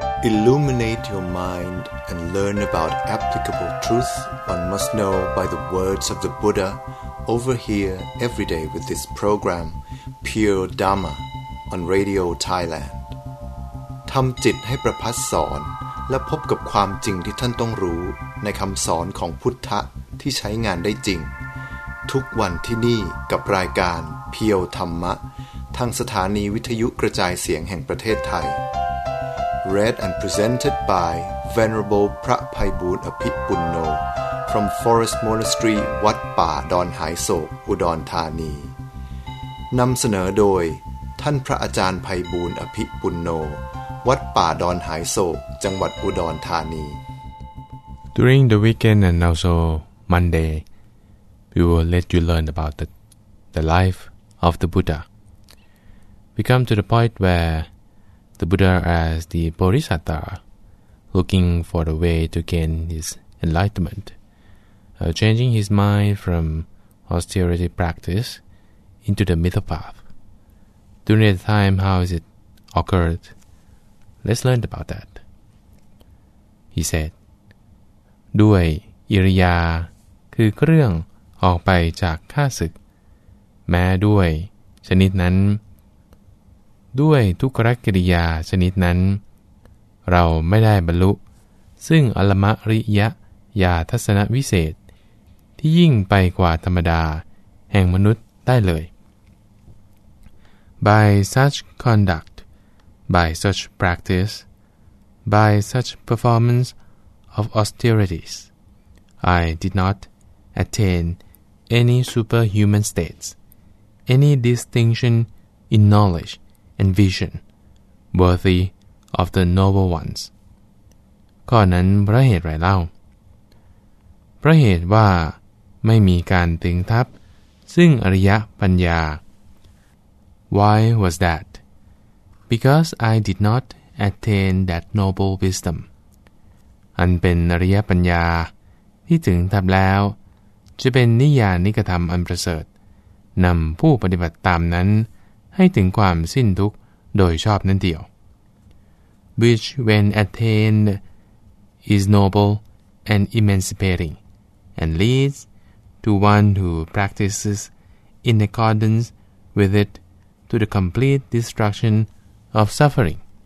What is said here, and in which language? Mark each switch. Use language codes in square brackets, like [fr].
[en] Illuminate your mind and learn about applicable truth one must know by the words of the Buddha over here every day with this program, Pure Dharma, on Radio Thailand. [th] ทำจิตให้ประพัสสอนและพบกับความจริงที่ท่านต้องรู้ในคำสอนของพุทธะที่ใช้งานได้จริงทุกวันที่นี่กับรายการเพียวธรรมะทางสถานีวิทยุกระจายเสียงแห่งประเทศไทย [en] Read and presented by Venerable [th] พระไพบูลย์อภิปุณโญ [en] from Forest Monastery [th] วัดป่าดอนหายโศกอุดรธานีนำเสนอโดยท่านพระอาจารย์ไพบูลย์อภิปุณโญวัดป่าดอนหายโศกจังหวัดอุดรธานี [en] During the weekend and also MondayWe will let you learn about the life of the Buddha. We come to the point where the Buddha as the Bodhisattva looking for the way to gain his enlightenment, changing his mind from austerity practice into the middle path. During the time, how is it occurred? Let's learn about that. He said, [th] ด้วยอิริยาคือเครื่องออกไปจากข้าศึกแม้ด้วยชนิดนั้น ด้วยทุกขกิริยาชนิดนั้นเราไม่ได้บรรลุซึ่งอรมริยะญาทัศนวิเศษ ที่ยิ่งไปกว่าธรรมดาแห่งมนุษย์ได้เลย [en] By such conduct, by such practice, by such performance of austerities, I did not attainany superhuman states, any distinction in knowledge and vision worthy of the noble ones. [th] ข้อนั้นเพราะเหตุไรเล่าเพราะเหตุว่าไม่มีการตึงทับซึ่งอริยปัญญา [en] Why was that? Because I did not attain that noble wisdom. [th] อันเป็นอริยปัญญาที่ถึงทับแล้วจะเป็นนิยานิกธรรมอันประเสริฐนำผู้ปฏิบัติตามนั้นให้ถึงความสิ้นทุกข์โดยชอบนั่นเดียว [en] Which when attained is noble and emancipating and leads to one who practices in accordance with it to the complete destruction of suffering